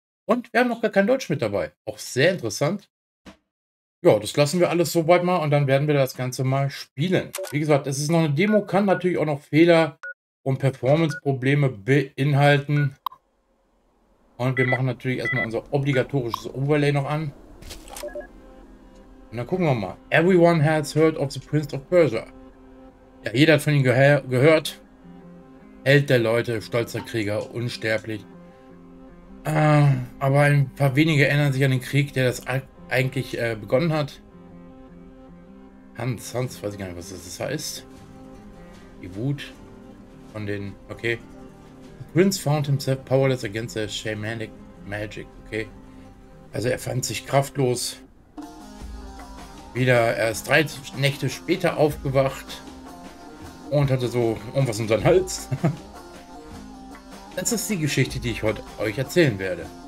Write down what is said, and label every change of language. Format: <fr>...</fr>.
<de>Und wir haben noch gar kein Deutsch mit dabei. Auch sehr interessant. Ja, das lassen wir alles soweit mal und dann werden wir das Ganze mal spielen. Wie gesagt, es ist noch eine Demo, kann natürlich auch noch Fehler und Performance-Probleme beinhalten. Und wir machen natürlich erstmal unser obligatorisches Overlay noch an. Und dann gucken wir mal.</de> <en>Everyone has heard of the Prince of Persia.</en> <de>Ja, jeder hat von ihm gehört. Held der Leute, stolzer Krieger, unsterblich. Aber ein paar wenige erinnern sich an den Krieg, der das eigentlich begonnen hat. Hans, weiß ich gar nicht, was das heißt. Die Wut von den, okay.</de> <en>The Prince found himself powerless against the shamanic magic, okay.</en> <de>Also er fand sich kraftlos. Wieder erst 3 Nächte später aufgewacht und hatte so irgendwas um seinen Hals. Das ist die Geschichte, die ich heute euch erzählen werde.</de>